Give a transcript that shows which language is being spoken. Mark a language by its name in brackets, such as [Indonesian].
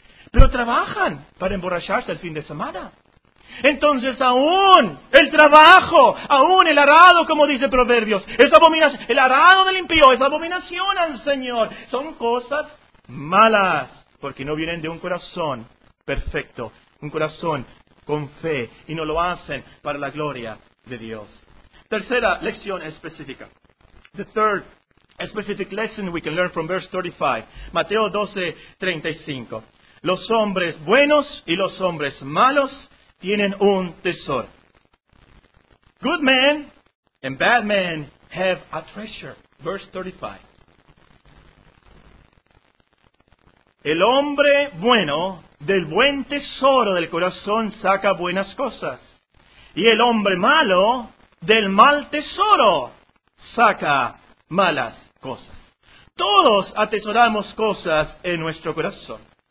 [Spanish] Pero trabajan para emborracharse el fin de semana. Entonces, aún el trabajo, aún el arado, como dice Proverbios, es abominación. El arado del impío es abominación al Señor. Son cosas malas, porque no vienen de un corazón perfecto, un corazón con fe, y no lo hacen para la gloria de Dios. Tercera lección específica. [English] The third specific lesson we can learn from verse 35. [Spanish] Mateo 12:35. Los hombres buenos y los hombres malos tienen un tesoro. [English] Good men and bad men have a treasure. Verse 35. [Spanish] El hombre bueno, del buen tesoro del corazón, saca buenas cosas. Y el hombre malo, del mal tesoro, saca malas cosas. Todos atesoramos cosas en nuestro corazón.